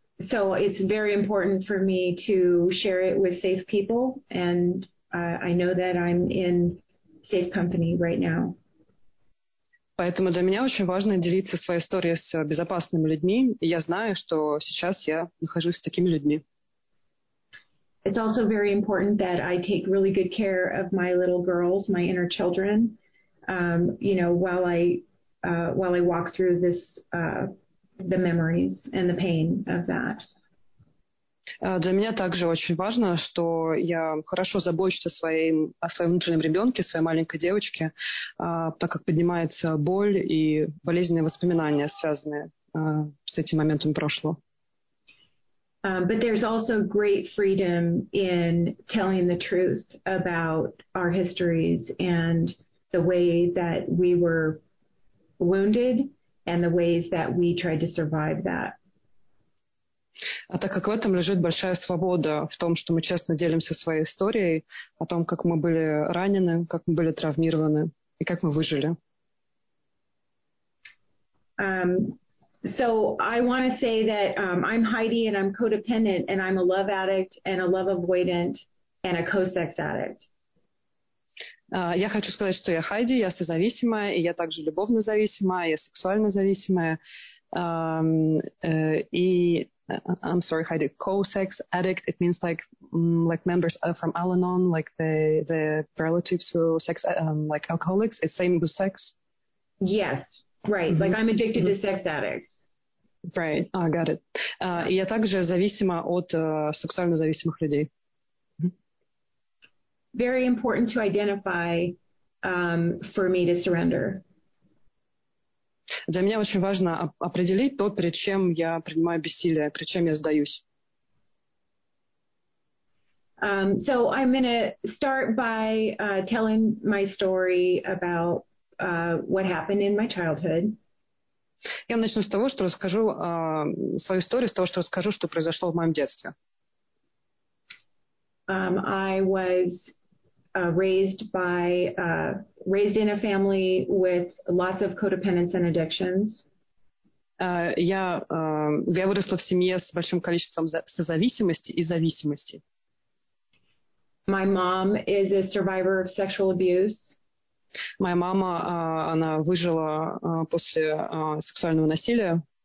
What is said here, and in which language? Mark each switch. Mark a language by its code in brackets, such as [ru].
[en] So it's very important for me to share it with safe people, and I know that I'm in safe company right now. [ru] Поэтому для меня очень важно делиться своей историей с безопасными людьми, и я знаю, что сейчас я нахожусь с такими людьми. [en] It's also very important that I take really good care of my little girls, my inner children, while I walk through this, the memories and the pain of that. [ru] Для меня также очень важно, что я хорошо забочусь о своем внутреннем ребенке, своей маленькой девочке, так как поднимается боль и болезненные воспоминания, связанные с этим моментом прошлого. [en] But there's also great freedom in telling the truth about our histories and the way that we were wounded and the ways that we tried to survive that. [ru] А так как в этом лежит большая свобода, в том, что мы честно делимся своей историей, о том, как мы были ранены, как мы были травмированы и как мы выжили. [en] So I want to say that I'm Heidi, and I'm codependent, and I'm a love addict, and a love avoidant, and a co-sex addict. [ru] Я хочу сказать, что я Хайди, я созависимая, и я также любовно зависимая, я сексуально зависимая. [en] И I'm sorry, Heidi. Co-sex addict. It means like members from Al-Anon, like the relatives who sex like alcoholics. It's same with sex. Yes, right. Mm-hmm. Like I'm addicted mm-hmm. to sex addicts. Right. I oh, got it. Yeah. [ru] Я также зависима от сексуально зависимых людей. [en] Very important to identify for me to surrender. [ru] Для меня очень важно определить то, перед чем я принимаю бессилие, перед чем я сдаюсь. [en] So I'm going to start by telling my story about what happened in my childhood. [ru] Я начну с того, что расскажу свою историю, с того, что расскажу, что произошло в моем детстве. [en] I was raised in a family with lots of codependence and addictions. [ru] Я выросла в семье с большим количеством созависимости и зависимости. [en] My mom is a survivor of sexual abuse. [ru] Моя мама, она выжила после сексуального насилия.